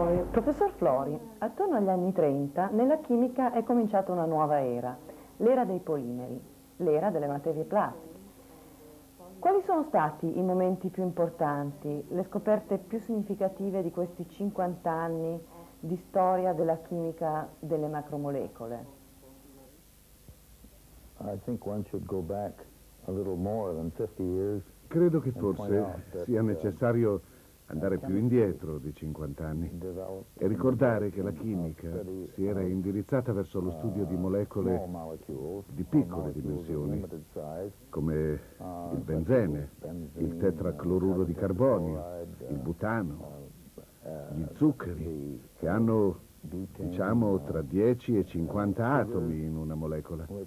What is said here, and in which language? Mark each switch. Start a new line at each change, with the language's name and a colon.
Italian: Professor Flori, attorno agli anni 30 nella chimica è cominciata una nuova era, l'era dei polimeri, l'era delle materie plastiche. Quali sono stati i momenti più importanti, le scoperte più significative di questi 50 anni di storia della chimica delle macromolecole?
English: I think one should go back a little more than 50 years.
Italian: Credo che forse sia necessario andare più indietro di 50 anni e ricordare che la chimica si era indirizzata verso lo studio di molecole di piccole dimensioni, come il benzene, il tetracloruro di carbonio, il butano, gli zuccheri, che hanno, diciamo, tra 10 e 50 atomi in una molecola.